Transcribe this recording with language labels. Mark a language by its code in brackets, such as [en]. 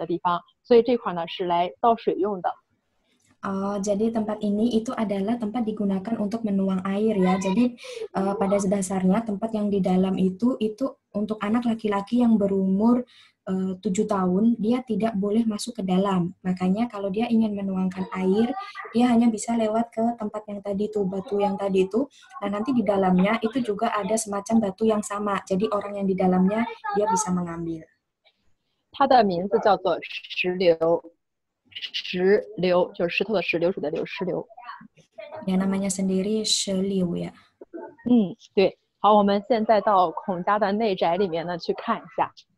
[zh] 你可以往前靠一靠，给他们一个特写啊，因为这个地方呢，它磨得很光滑，然后它是孔家人的这种男生7岁以上呢是不能进到内宅里面的，所以男生会把水呢抬到这个地方倒进去，里面有一个一模一样的，里面有用人接水的地方，所以这块呢是来倒水用的。 [id] Jadi tempat ini itu adalah tempat digunakan untuk menuang air ya. Jadi pada dasarnya tempat yang di dalam itu untuk anak laki-laki yang berumur 7 tahun, dia tidak boleh masuk ke dalam. Makanya kalau dia ingin menuangkan air, dia hanya bisa lewat ke tempat yang tadi itu, batu yang tadi itu. Nah nanti di dalamnya itu juga ada semacam batu yang sama. Jadi orang yang di dalamnya, dia bisa mengambil. [zh] 它的名字叫做石榴. 石榴就是石头的石，流水的流，石榴。 [id] Ya namanya sendiri seliu ya. [zh] 嗯，对。好，我们现在到孔家的内宅里面呢去看一下。